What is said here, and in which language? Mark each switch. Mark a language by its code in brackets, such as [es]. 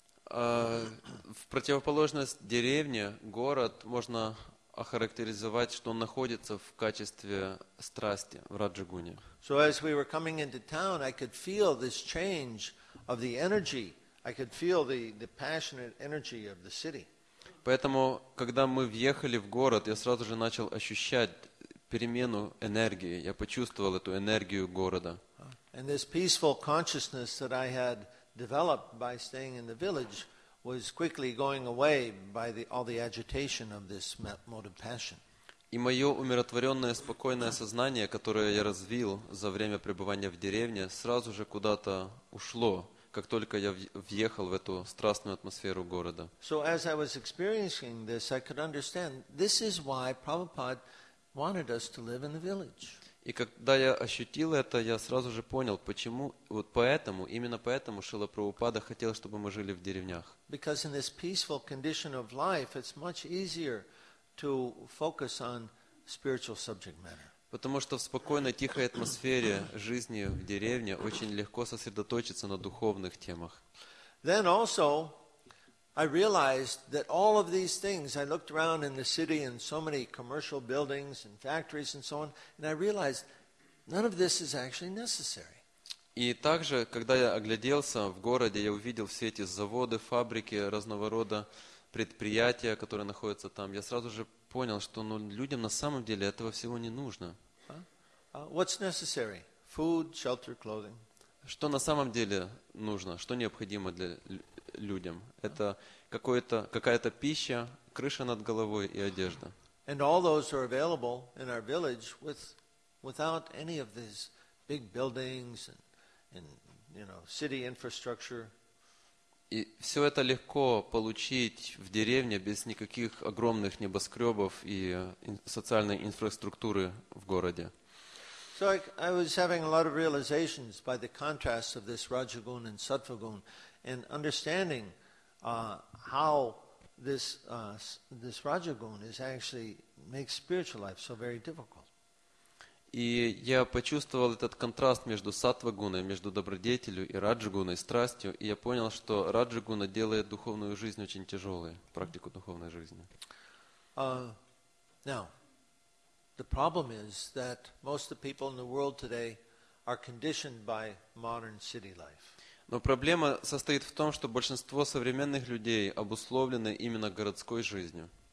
[ru] В противоположность деревне, город можно охарактеризовать, что он находится в качестве страсти, в раджагуне. [en] So as we were coming into town, I could feel this change of the energy. I could feel the passionate energy of the city. [ru] Поэтому, когда мы въехали в город, я сразу же начал ощущать перемену энергии. Я почувствовал эту энергию города. [en] And this peaceful consciousness that I had developed by staying in the village was quickly going away by all the agitation of this mode of passion. [ru] И мое умиротворенное, спокойное сознание, которое я развил за время пребывания в деревне, сразу же куда-то ушло, как только я въехал в эту страстную атмосферу города. [en] So as I was experiencing this, I could understand this is why Prabhupada wanted us to live in the village. [ru] И когда я ощутил это, я сразу же понял, почему, вот поэтому, именно поэтому Шрила Прабхупада хотел, чтобы мы жили в деревнях. [en] Because in this peaceful condition of life, it's much easier to focus on spiritual subject matter. [ru] Потому что в спокойной, тихой атмосфере жизни в деревне очень легко сосредоточиться на духовных темах. [en] Then also, I realized that all of these things, I looked around in the city and so many commercial buildings and factories and so on, and I realized none of this is actually necessary. [ru] И также, когда я огляделся в городе, я увидел все эти заводы, фабрики разного рода, предприятия, которые находятся там, я сразу же понял, что людям на самом деле этого всего не нужно. [en] What's necessary? Food, shelter, clothing. [ru] Что на самом деле нужно, что необходимо для людям? Это какая-то пища, крыша над головой и одежда. [en] And all those are available in our village without any of these big buildings and city infrastructure. [ru] И все это легко получить в деревне без никаких огромных небоскребов и социальной инфраструктуры в городе. [en] So I was having a lot of realizations by the contrast of this Rajagun and Sattvagun and understanding how this Rajagun is actually makes spiritual life so very difficult. [ru] И я почувствовал этот контраст между саттвагуной, между добродетелью и раджагуной, страстью, и я понял, что раджагуна делает духовную жизнь очень тяжелой, практику духовной жизни. [en] Now, the problem is that most of the people in the world today are conditioned by modern city life. [ru] Но проблема состоит в том, что большинство современных людей обусловлены именно городской жизнью.